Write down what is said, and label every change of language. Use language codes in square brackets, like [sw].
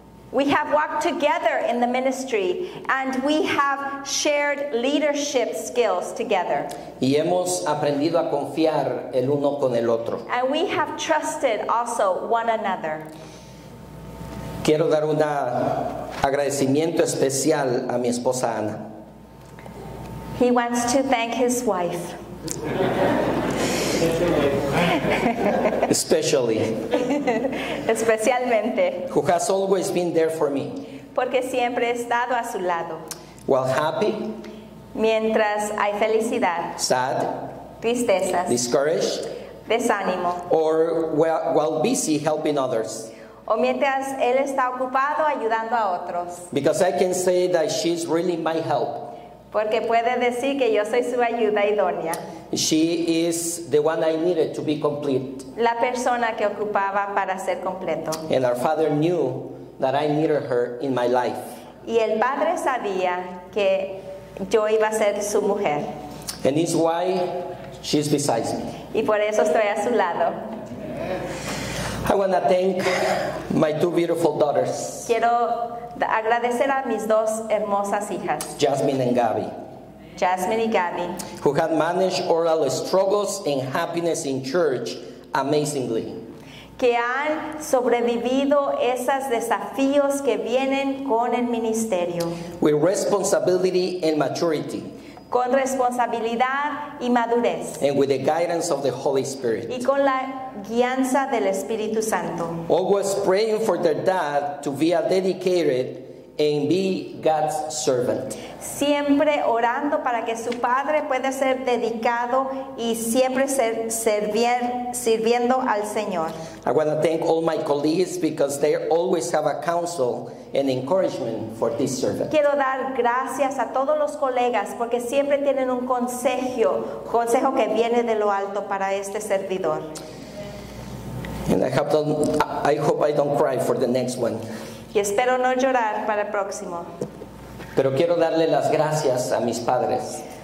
[en] We have walked together in the ministry and we have shared leadership skills together. [es] Y hemos aprendido a confiar el uno con el otro. [en] And we have trusted also one another. [es] Quiero dar un agradecimiento especial a mi esposa Ana. [en] He wants to thank his wife. Especially. [es] Especialmente. [en] Who has always been there for me. [es] Porque siempre he estado a su lado. [en] While happy. [es] Mientras hay felicidad. [en] Sad. [es] Tristezas. [en] Discouraged. [es] Desánimo. [en] Or while busy helping others. [es] O mientras él está ocupado ayudando a otros. [en] Because I can say that she's really my help. [es] Porque puede decir que yo soy su ayuda idónea. [en] She is the one I needed to be complete. [es] La persona que ocupaba para ser completo. [en] And our father knew that I needed her in my life. [es] Y el padre sabía que yo iba a ser su mujer. [en] And this is why she's beside me. [es] Y por eso estoy a su lado. [en] I want to thank my two beautiful daughters. [es] Quiero agradecer a mis dos hermosas hijas. [en] Jasmine and Gabby. [es] Jasmine y Gabby, [en] who had managed oral struggles and happiness in church amazingly. [es] Que han sobrevivido esos desafíos que vienen con el ministerio. [en] With responsibility and maturity. [es] Con responsabilidad y madurez. [en] And with the guidance of the Holy Spirit. [es] Y con la guianza del Espíritu Santo. [en] Always praying for their dad to be a dedicated and be God's servant. [es] Siempre orando para que su padre pueda ser dedicado y siempre sirviendo al Señor. [en] I want to thank all my colleagues because they always have a counsel and encouragement for this servant. [es] Quiero dar gracias a todos los colegas porque siempre tienen un consejo que viene de lo alto para este servidor. [en] And I hope I don't cry for the next one. [es] Y espero no llorar para el próximo. Pero quiero darle las gracias a mis padres.